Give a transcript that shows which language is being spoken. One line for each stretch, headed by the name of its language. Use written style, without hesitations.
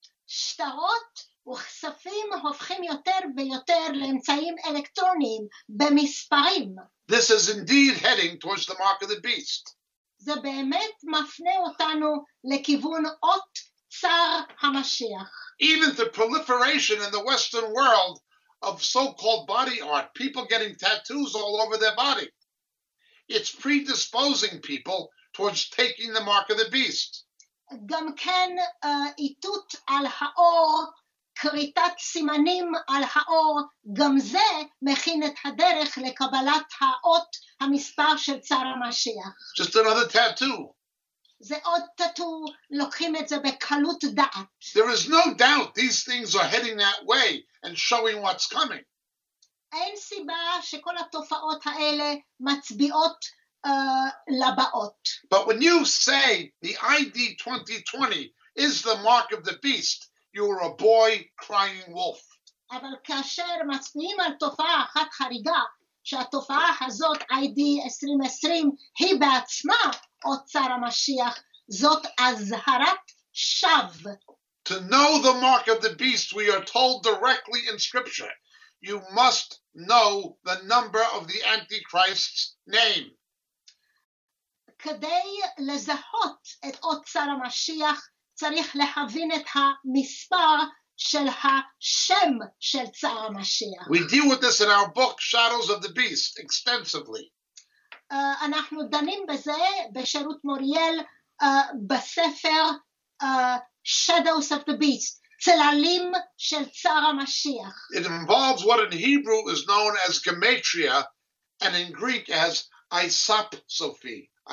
Hebrew: שטרות וכספים הופכים יותר ויותר לאמצעים אלקטרוניים במספרים.
English: This is indeed heading towards the mark of the beast.
Hebrew: זה באמת מפנה אותנו לכיוון אות צר המשיח.
English: Even the proliferation in the Western world of so-called body art, people getting tattoos all over their body, it's predisposing people towards taking the mark of the beast.
Hebrew: גם כן איתות על האור, קריטת סימנים על האור, גם זה מכין את הדרך לקבלת האות המספר של צר המשיח.
English: Just another tattoo.
Hebrew: זה עוד טטו, לוקחים את זה בקלות דעת.
English: There is no doubt these things are heading that way and showing what's coming.
Hebrew: אין סיבה שכל התופעות האלה מצביעות לבאות.
English: But when you say the ID 2020 is the mark of the beast, you are a boy crying wolf.
Hebrew: אבל כאשר מצביעים על תופעה אחת חריגה, שהתופעה הזאת, ID 2020, היא בעצמה אות צר המשיח, זאת אזהרת שווא.
English: To know the mark of the beast, we are told directly in Scripture, you must know the number of the Antichrist's name.
Hebrew: כדי לזהות את אות צר המשיח, צריך להבין את המספר של השם של צר המשיח.
English: We deal with this in our book, Shadows of the Beast, extensively.
Hebrew: אנחנו דנים בזה בשירות מוריאל בספר Shadows of the Beast, צללים של צר המשיח.
English: It involves what in Hebrew is known as gematria and in Greek as isopsophy.